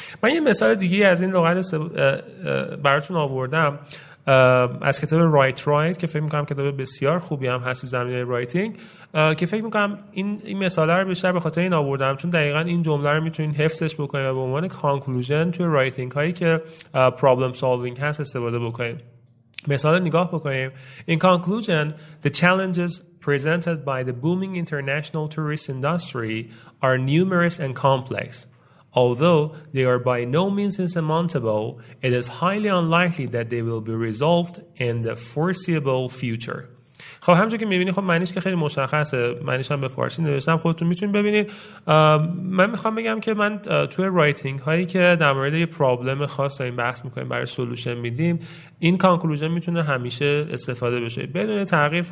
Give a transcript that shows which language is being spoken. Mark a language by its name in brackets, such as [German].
[Persian] من یه مثال دیگه از این لغت براتون آوردم از کتاب رایت که فکر میکنم کتاب بسیار خوبی هم هست زمینه رایتینگ, که فکر میکنم این مثال رو بیشتر به خاطر این آوردم چون دقیقا این جمله رو میتونین حفظش بکنید و به عنوان کانکلوژن توی رایتینگ هایی که پرابلم سالوینگ هست استفاده بکنید. مثال نگاه بکنیم, [English] in conclusion the challenges presented by the booming international tourist industry are numerous and complex. Although they are by no means insurmountable, it is highly unlikely that they will be resolved in the foreseeable future. [Persian] خب همونجوری که می‌بینید خب معنیش که خیلی مشخصه, معنیش هم به فارسی نوشتم خودتون می‌تونید ببینید. من می‌خوام بگم که من توی رایتینگ هایی که در مورد یه پرابلم خاص داریم بحث می‌کنیم برای سولوشن میدیم این کانکلوژن میتونه همیشه استفاده بشه بدون تغییر.